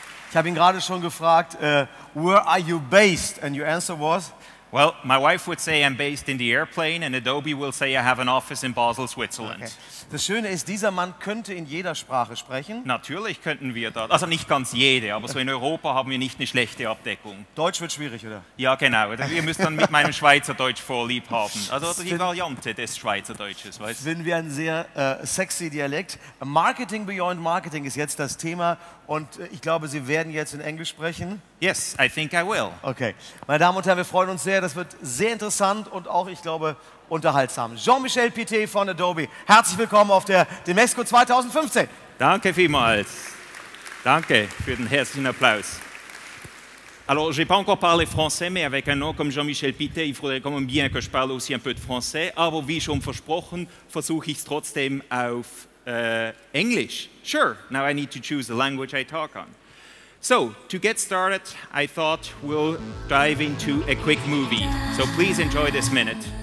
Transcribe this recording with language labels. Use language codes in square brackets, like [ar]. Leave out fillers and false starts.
[de] Ich habe ihn gerade schon gefragt, [en] where are you based? And your answer was? Well, my wife would say I'm based in the airplane and Adobe will say I have an office in Basel, Switzerland. Okay. [de] Das Schöne ist, dieser Mann könnte in jeder Sprache sprechen. Natürlich könnten wir da, also nicht ganz jede, aber so in Europa haben wir nicht eine schlechte Abdeckung. Deutsch wird schwierig, oder? Ja, genau. Ihr müsst dann mit meinem Schweizerdeutsch vorlieb haben. Also die Variante des Schweizerdeutsches, weißt du? Finden wir ein sehr sexy Dialekt. Marketing Beyond Marketing ist jetzt das Thema und ich glaube, Sie werden jetzt in Englisch sprechen. [en] Yes, I think I will. Okay. [de] Meine Damen und Herren, wir freuen uns sehr. Das wird sehr interessant und auch, ich glaube, unterhaltsam. Jean-Michel Pité von Adobe. Herzlich willkommen auf der Demexco 2015. Danke vielmals. Danke für den herzlichen Applaus. [fr] Alors, j'ai pas encore parlé français, mais avec un nom comme Jean-Michel Pité, il faudrait quand même bien que je parle aussi un peu de français. [de] Aber wie schon versprochen, versuche ich es trotzdem auf Englisch. [en] Sure, now I need to choose the language I talk on. So, to get started, I thought we'll dive into a quick movie. So please enjoy this minute.